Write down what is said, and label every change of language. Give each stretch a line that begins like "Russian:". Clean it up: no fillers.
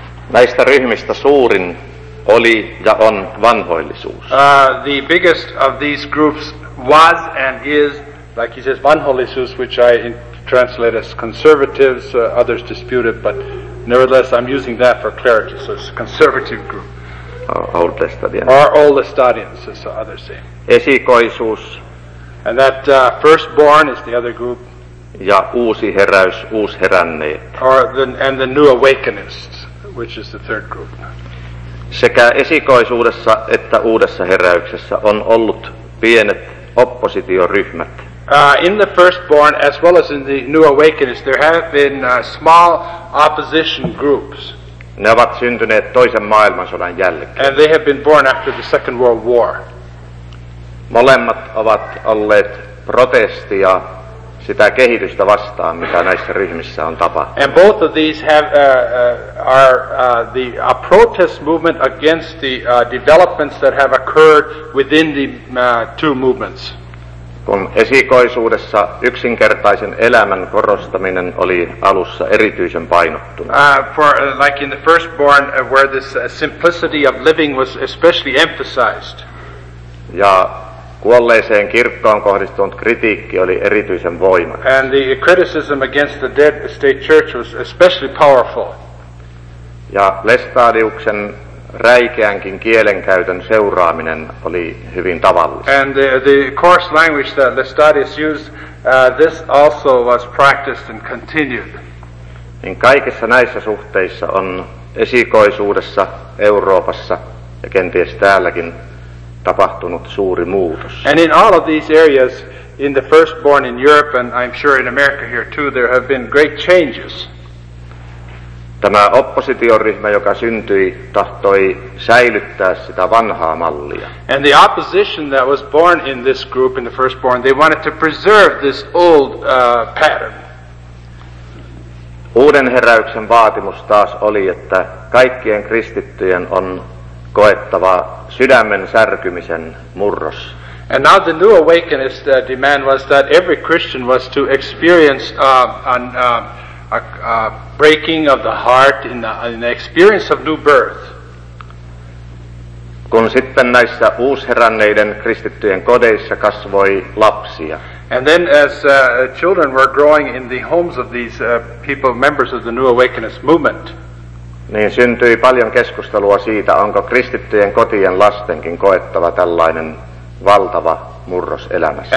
Finnish: Näistä ryhmistä suurin oli ja on vanhoillisuus.
English: The biggest of these groups was and is, like he says, vanhoillisuus, which I translate as conservatives, others dispute it, but nevertheless, I'm using that for clarity, so it's a conservative group. Old Lestadians. Or old Lestadians, as others say.
Finnish: Esikoisuus.
English: And that firstborn is the other group.
Finnish: Ja uusi heräys, uusheränneet.
English: And the new awakenists, which is the third group.
Finnish: Sekä esikoisuudessa että uudessa heräyksessä on ollut pienet oppositioryhmät.
English: In the firstborn, as well as in the new awakenings, there have been small opposition groups.
Finnish: Ne ovat syntyneet toisen maailmansodan jälkeen.
English: And they have been born after the Second World War.
Finnish: Molemmat ovat olleet protestia sitä kehitystä vastaan, mitä näissä ryhmissä on tapahtunut.
English: And both of these have are a protest movement against the developments that have occurred within the two movements.
Finnish: Kun esikoisuudessa yksinkertaisen elämän korostaminen oli alussa erityisen painottuna.
English: Like in the firstborn, where this simplicity of living was especially emphasized.
Finnish: Ja kuolleeseen kirkkoon kohdistunut kritiikki oli erityisen voimakas.
English: And the criticism against the dead state church was especially powerful.
Finnish: Ja Lestadiuksen räikeänkin kielenkäytön seuraaminen oli hyvin tavallista.
English: And the coarse language that Lestadius used, this also was practiced and continued.
Finnish: Niin kaikissa näissä suhteissa on esikoisuudessa Euroopassa ja kenties täälläkin tapahtunut suuri muutos.
English: And in all of these areas, in the firstborn in Europe and I'm sure in America here too, there have been great changes.
Finnish: Tämä oppositioryhmä, joka syntyi, tahtoi säilyttää sitä vanhaa mallia.
English: And the opposition that was born in this group, in the firstborn, they wanted to preserve this old pattern.
Finnish: Uuden heräyksen vaatimus taas oli, että kaikkien kristittyjen on koettava sydämen särkymisen murros.
English: And now the new awakenist demand was that every Christian was to experience a breaking of the heart in the experience of new birth.
Finnish: Kun sitten näissä uusheränneiden kristittyjen kodeissa kasvoi lapsia.
English: And then as children were growing in the homes of these people, members of the New Awakenist movement,
Finnish: niin syntyi paljon keskustelua siitä, onko kristittyjen kotien lastenkin koettava tällainen valtava murros elämässä.